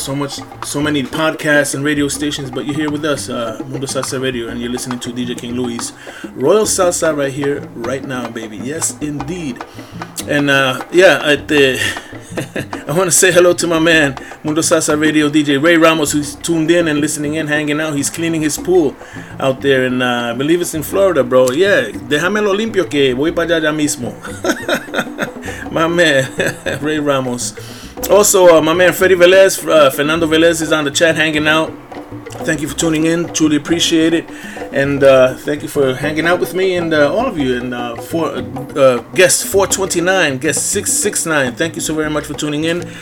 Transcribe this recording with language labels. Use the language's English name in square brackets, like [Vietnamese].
[English] So many podcasts and radio stations, but you're here with us, Mundo Salsa Radio, and you're listening to DJ King Louie's Royal Salsa right here, right now, baby. Yes, indeed. And I want to say hello to my man, Mundo Salsa Radio DJ Ray Ramos, who's tuned in and listening in, hanging out. He's cleaning his pool out there, and I believe it's in Florida, bro. [Spanish] Yeah, déjamelo limpio que voy para allá ya mismo. [English] My man, Ray Ramos. Also, my man, Freddy Velez, Fernando Velez is on the chat hanging out. Thank you for tuning in. Truly appreciate it. And thank you for hanging out with me and all of you. And guest 429, guest 669, thank you so very much for tuning in.